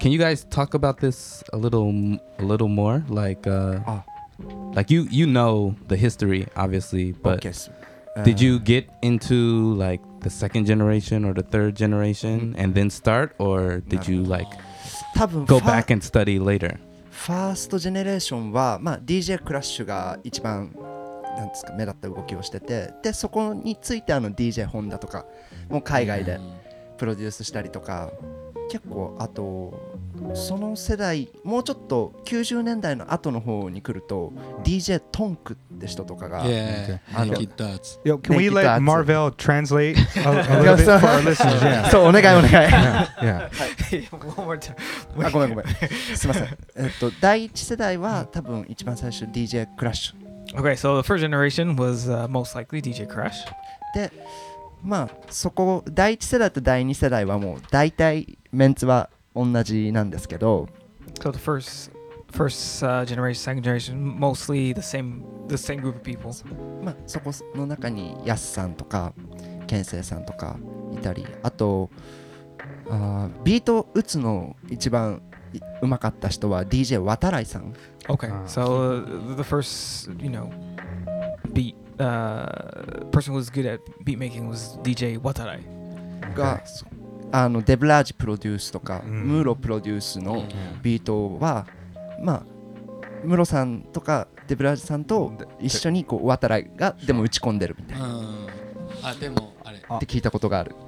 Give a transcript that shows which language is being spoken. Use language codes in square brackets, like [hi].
[en] Can you guys talk about this a little more? Like, you know the history, obviously, but... Okay. Did you get into, like, the second generation or the third generation and then start? Or did you, like, go back and study later? [ja] ファーストジェネレーションは、まあ、DJ クラッシュが一番なんですか目立った動きをしてて、でそこについてあの DJ ホンダとかも海外でプロデュースしたりとか、結構あとその世代もうちょっと90年代の後の方に来ると DJ トンクって人とかが、 yeah. あの Naked Darts. [en] Yo, can we let Marvel translate a little bit for our listeners? Yeah. [ja] そうお願いお願い。 [en] Yeah. One more time. [ja] あ、ごめん。すいません。第一世代は多分一番最初 DJ Crash。 [en] Okay, so the first generation was most likely DJ Crash. [ja] で、まあそこ第一世代と第二世代はもう大体メンツは同じなんですけど、 [en] So the first generation, second generation, mostly the same group of people. [ja] まあそこの中にヤスさんとかケンセイさんとかいたり、あとビート打つの一番うまかった人は DJ 渡来さん。 [en] Okay, so the first, you know, beat, person who was good at beat making was DJ 渡来 [ja] が、あのデブラージプロデュースとかムーロプロデュースのビートは、まあムロさんとかデブラージさんと一緒にこう渡来がでも打ち込んでるみたいな、うん、あでもあれって聞いたことがある。